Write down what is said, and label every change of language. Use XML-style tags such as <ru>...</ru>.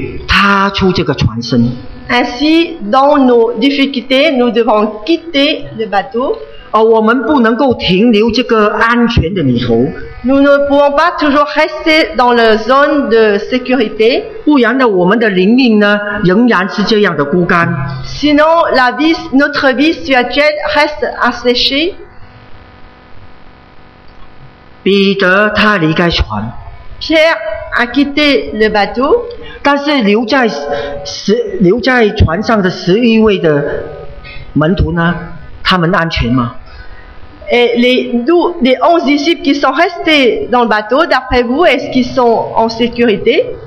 <fr>Ainsi, dans nos difficultés, nous devons quitter le bateau.</fr> <zh>我们不能够停留这个安全的里头。</zh> <fr>Nous ne pouvons pas toujours rester dans la zone de sécurité.</fr> <zh>不然呢，我们的灵命呢，仍然是这样的孤单。</zh> <fr>Sinon, la vie, notre vie spirituelle reste asséchée.</fr> <zh>彼得他离开船。</zh> <fr>Pierre a quitté le bateau.</fr> <zh>但是留在船上的11位的门徒呢，他们安全吗？</zh> <fr>Et les 11 disciples qui sont restés dans le bateau, d'après vous, est-ce qu'ils sont en sécurité?</fr>